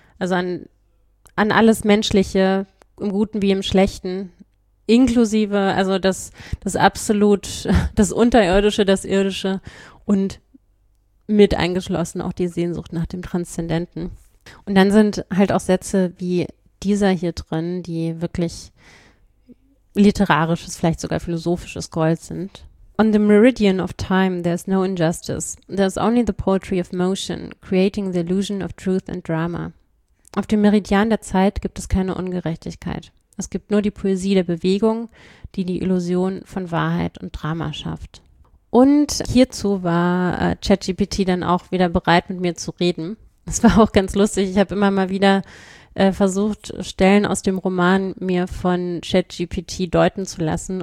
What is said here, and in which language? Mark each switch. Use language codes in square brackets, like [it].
[de] Also an alles Menschliche, im Guten wie im Schlechten, inklusive, also das absolut, das Unterirdische, das Irdische und mit eingeschlossen auch die Sehnsucht nach dem Transzendenten. Und dann sind halt auch Sätze wie dieser hier drin, die wirklich literarisches, vielleicht sogar philosophisches Gold sind. [en] On the meridian of time, there's no injustice. There's only the poetry of motion, creating the illusion of truth and drama. [de] Auf dem Meridian der Zeit gibt es keine Ungerechtigkeit. Es gibt nur die Poesie der Bewegung, die die Illusion von Wahrheit und Drama schafft. Und hierzu war ChatGPT dann auch wieder bereit, mit mir zu reden. Das war auch ganz lustig. Ich habe immer mal wieder versucht, Stellen aus dem Roman mir von ChatGPT deuten zu lassen.